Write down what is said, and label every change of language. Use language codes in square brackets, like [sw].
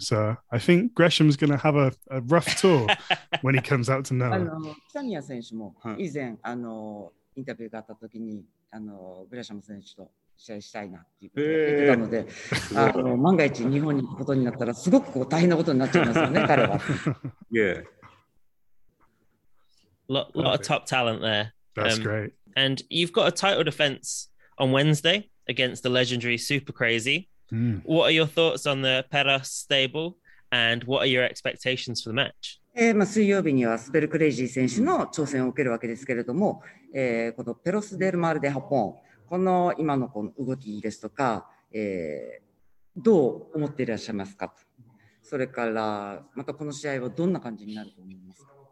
[en] So I think Gresham's going to have a rough tour when he comes out to Noah. [ja] Kitamiya 選手も以前あのインタビューがあった時にあのグレシャム選手と試合したいなって言ってたので、あの万が一日本に行くことになったらすごくこう大変なことになっちゃいますよね、彼は。 [en] Lot of top talent there. That's great. And you've got a title defense on Wednesday against the legendary Super Crazy. What are your thoughts on the Pera stable? And what are your expectations for the match? [ja] 水曜日にはスペルクレイジー選手の挑戦を受けるわけですけれども、このペロスデルマルデハポン、この今のこの動きですとか、どう思っていらっしゃいますか？それからまたこの試合はどんな感じになると思いますか？